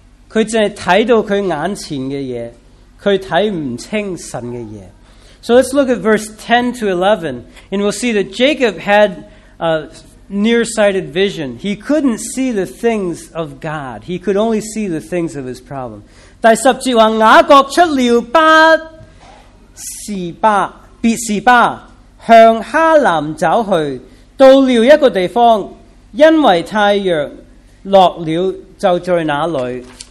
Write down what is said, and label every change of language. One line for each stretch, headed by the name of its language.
Chinese: 他只是看到他眼前的东西，他看不清神的东西。
English: So let's look at verse 10 to 11, and we'll see that Jacob had a nearsighted vision. He couldn't see the things of God. He could only see the things of his problem.
Chinese: 第十节话，雅各出了巴士巴，别士巴，向哈兰走去，到了一个地方，因为太阳落了，就在那里。